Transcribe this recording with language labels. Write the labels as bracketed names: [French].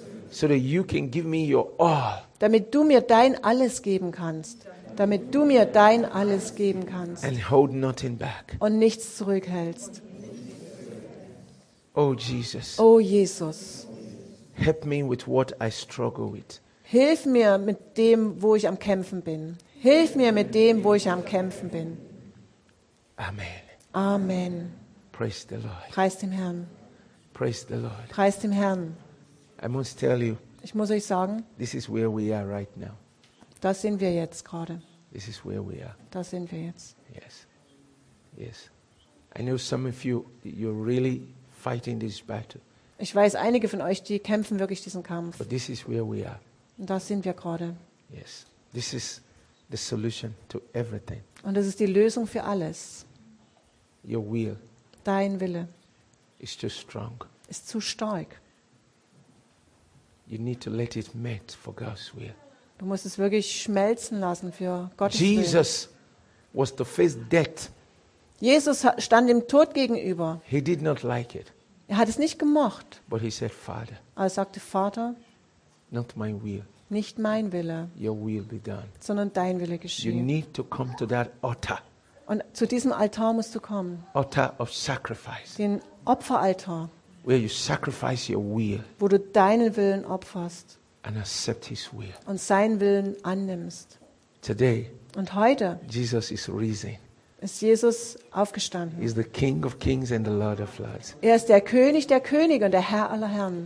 [English] so that you can give me your all, [German] damit du mir dein alles geben kannst, damit du mir dein alles geben kannst, [English] and hold nothing back, [German] und nichts zurückhältst. [English] Oh Jesus. [German] Oh Jesus. [English] Help me with what I struggle with. [German] Hilf mir mit dem, wo ich am Kämpfen bin. Hilf mir mit dem, wo ich am Kämpfen bin. [English] Amen. [German] Amen. [English] Praise the Lord. [German] Preis dem Herrn. [English] Praise the Lord. [German] Preis dem Herrn. [English] I must tell you. [German] Ich muss euch sagen. [English] This is where we are right now. [German] Das sind wir jetzt gerade. [English] This is where we are. [German] Das sind wir jetzt. [English] Yes. Yes. I know some of you, you're really fighting this battle. [German] Ich weiß, einige von euch, die kämpfen wirklich diesen Kampf. [English] But this is where we are. [German] Und da sind wir gerade. [English] Yes. This is the solution to everything. [German] Und das ist die Lösung für alles. [English] Your will. [German] Dein Wille. [English] Is too strong. [German] Ist zu stark. [English] You need to let it melt for God's will. [German] Du musst es wirklich schmelzen lassen für Gottes [English] Jesus [German] Willen. [English] Was to face death. [German] Jesus stand dem Tod gegenüber. [English] He did not like it. [German] Er hat es nicht gemocht. [English] But he said, Father, [German] aber er sagte, Vater, [English] not my will, [German] nicht mein Wille, [English] your will be done, [German] sondern dein Wille geschehe. [English] You need to come to that altar. [German] Und zu diesem Altar musst du kommen. [English] Altar of sacrifice. [German] Den Opferaltar. [English] Where you sacrifice your will, [German] wo du deinen Willen opferst [English] and accept his will. [German] Und seinen Willen annimmst. [English] Today, [German] und heute [English] Jesus is risen. [German] Ist Jesus aufgestanden. [English] He is the King of Kings and the Lord of Lords. [German] Er ist der König der Könige und der Herr aller Herren.